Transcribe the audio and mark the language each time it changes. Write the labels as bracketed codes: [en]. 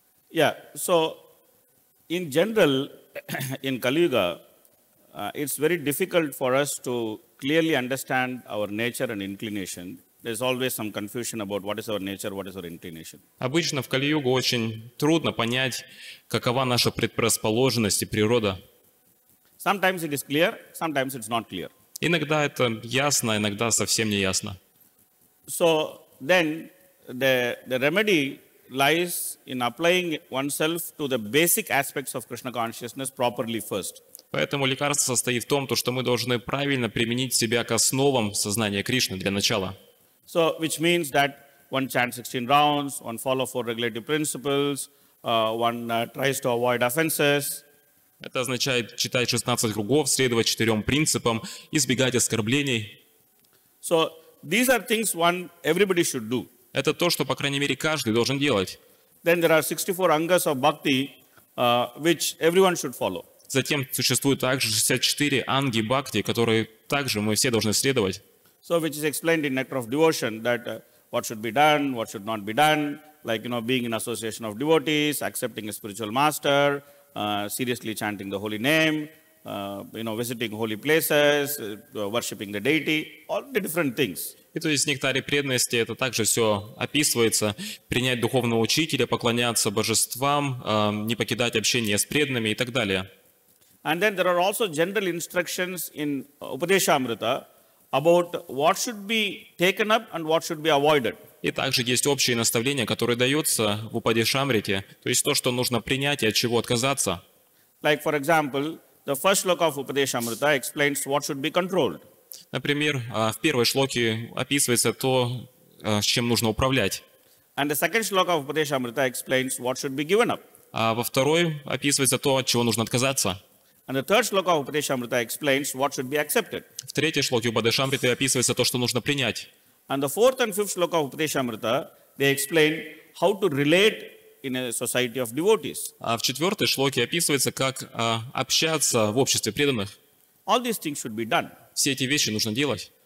[en] Yeah, so... In general, in Kali Yuga, it's very difficult for us to clearly understand our nature and inclination. There's always some confusion about what is our nature, what is our inclination. [ru] Обычно в Кали Юге очень трудно понять, какова наша предрасположенность и природа. [en] Sometimes it is clear, sometimes it's not clear. [ru] Иногда это ясно, иногда совсем не ясно. [en] So then the remedy lies in applying oneself to the basic aspects of Krishna consciousness properly first. [ru] Поэтому лекарство состоит в том, то что мы должны правильно применить себя к основам сознания Кришны для начала. [en] So, which means that one chants 16 rounds, one follows four regulative principles, one tries to avoid offenses. [ru] Это означает читать 16 кругов, следовать четырем принципам, избегать оскорблений. [en] So these are things one everybody should do. [ru] Это то, что по крайней мере каждый должен делать. [en] Then there are 64 angas of bhakti, which everyone should follow. [ru] Затем существует также 64 анги бхакти, которые также мы все должны следовать. [en] So which is explained in Nectar of Devotion that what should be done, what should not be done, like you know, being in association of devotees, accepting a spiritual master, seriously chanting the holy name, visiting holy places, worshipping the deity, all the different things. [ru] И то есть в Нектаре преданности это также все описывается: принять духовного учителя, поклоняться божествам, не покидать общение с преданными и так далее. [en] And then there are also general instructions in Upadeshamrita about what should be taken up and what should be avoided. [ru] И также есть общие наставления, которые даются в Упадешамрите, то есть то, что нужно принять и от чего отказаться. [en] Like, for example, the first shloka of Upadeshamrita explains what should be controlled. [ru] Например, в первой шлоке описывается то, с чем нужно управлять. [en] And the second shloka of Upadeshamrita explains what should be given up. [ru] А во второй описывается то, от чего нужно отказаться. [en] And the third shloka of Upadeshamrita explains what should be accepted. [ru] В третьей шлоке Упадешамриты описывается то, что нужно принять. [en] And the fourth and fifth shloka of Upadeshamrita, they explain how to relate in a society of devotees. [ru] А в четвертой шлоке описывается, как общаться в обществе преданных. [en] All these things should be done. [ru] Все эти вещи нужно делать.